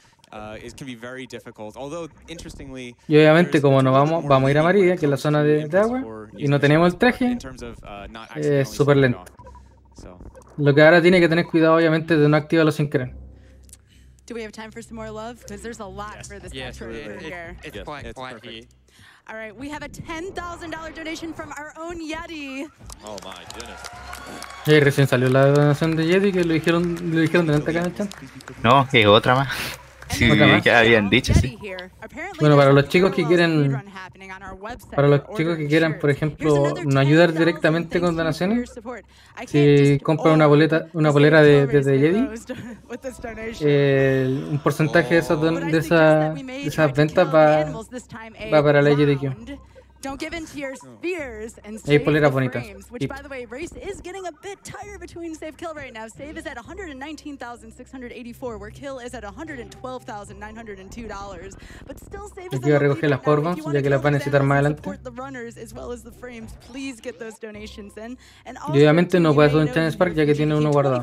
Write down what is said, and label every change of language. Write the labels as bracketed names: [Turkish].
[Spanish] Y obviamente, como no vamos a ir a María, que es la zona de agua, y no tenemos el traje, es súper lento. Lo que ahora tiene que tener cuidado, obviamente, de no activarlo sin querer. [English] Do we have time for some more love? Because there's a lot for this match for here. It's quite perfect. All right, we have a $10,000 donation from our own Yeti. Oh my goodness. [Spanish] Hey, recién salió la donación de Yeti, que lo dijeron delante acá en el chat. No, que otra más. Sí, ya habían dicho, sí. Bueno, para los chicos que quieren, por ejemplo, no ayudar directamente con donaciones, si compran una bolera de Yeti, un porcentaje de esas ventas va para la Yeti Q. [English] Don't give in to your fears and save the frames. Which, by the way, Race is getting a bit tired between Save Kill right now. Save is at $119,684, where Kill is at $112,902. But still, Save is going to [Spanish] recoger las porgons, ya que las va a necesitar más adelante. [English] The runners as well as the frames, please get those donations in. [Spanish] Y obviamente no puede hacer un Chance Spark, ya que tiene uno guardado.